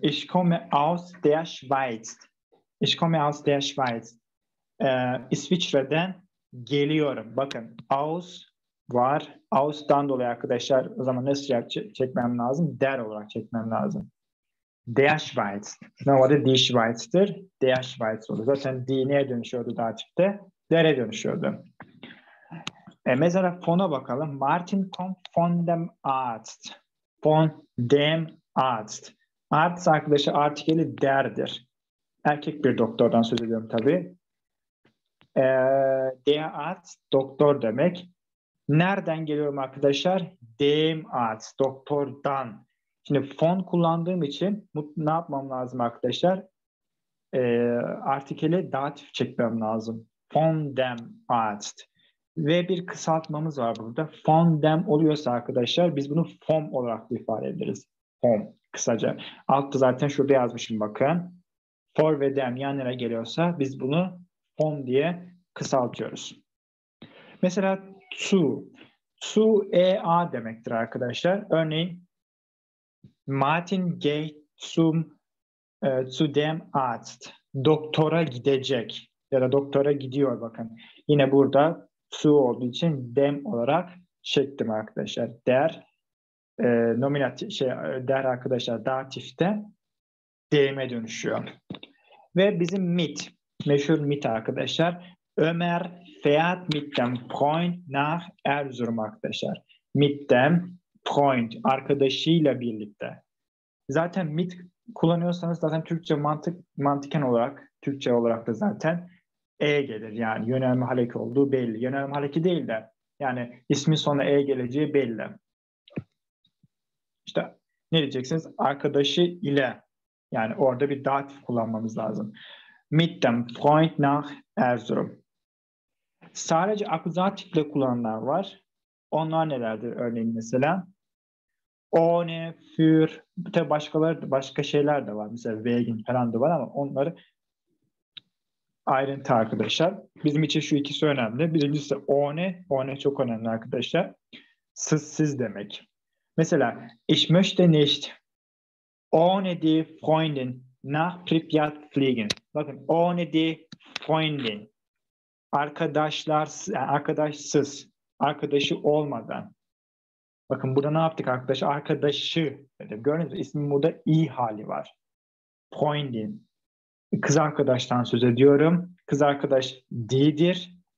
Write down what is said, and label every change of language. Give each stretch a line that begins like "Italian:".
German: Ich komme aus der Schweiz. Ich komme aus der Schweiz.
Turkish: İsviçre'den geliyorum. Bakın aus var. Aus'dan dolayı arkadaşlar o zaman ne sıcak çekmem lazım? Der olarak çekmem lazım.
German: Der Schweiz.
Turkish: Ne oldu?
German: Die Schweiz'tir. Der Schweiz oldu.
Turkish: Zaten die neye dönüşüyordu daha çifte? Der'e dönüşüyordu. Mesela fon'a bakalım.
German: Martin kommt von dem Arzt. Von dem Arzt.
Turkish: Arzt arkadaşı artikeli der'dir. Erkek bir doktordan söz ediyorum tabii. Der Arzt doktor demek. Nereden geliyorum arkadaşlar?
German: Dem Arzt
Turkish: doktordan. Şimdi von kullandığım için ne yapmam lazım arkadaşlar? Artikeli datif çekmem lazım.
German: Von dem Arzt.
Turkish: Ve bir kısaltmamız var burada. Von dem oluyorsa arkadaşlar biz bunu vom olarak ifade ederiz. Vom kısaca. Altta zaten şurada yazmışım bakın. For ve dem yan yana geliyorsa biz bunu vom diye kısaltıyoruz. Mesela zu. Zu ea demektir arkadaşlar.
German: Örneğin Martin geht zu dem Arzt.
Turkish: Doktora gidecek. Ya da doktora gidiyor bakın. Yine burada zu olduğu için dem olarak çektim arkadaşlar. Der nominatif şey der arkadaşlar datifte dem'e dönüşüyor. Ve bizim mit, meşhur mit arkadaşlar.
German: Ömer fährt mit dem Freund nach Erzurum arkadaşlar. Mit dem Freund
Turkish: arkadaşıyla birlikte. Zaten mit kullanıyorsanız zaten Türkçe mantıken olarak Türkçe olarak da zaten E gelir. Yani yönelme haleki olduğu belli. Yönelme haleki değil de. Yani ismin sonuna E geleceği belli. İşte ne diyeceksiniz? Arkadaşı ile. Yani orada bir datif kullanmamız lazım.
German: Mit dem Freund nach Erzurum.
Turkish: Sadece akuzatifle kullanılan var. Onlar nelerdir? Örneğin mesela. Ohne, für. Tabii başkaları da, başka şeyler de var. Mesela wegen falan da var ama onları ayrıntı arkadaşlar. Bizim için şu ikisi önemli. Birincisi ohne. Ohne çok önemli arkadaşlar. Sizsiz demek.
German: Mesela ich möchte nicht ohne die Freundin nach Pripyat fliegen.
Turkish: Bakın
German: ohne die Freundin.
Turkish: Arkadaşlar, arkadaşsız. Arkadaşı olmadan. Bakın burada ne yaptık arkadaş? Arkadaşı. Dedim. Gördünüz mü? İsmin burada i hali var. Freundin. Kız arkadaştan söz ediyorum. Kız arkadaş di'dir.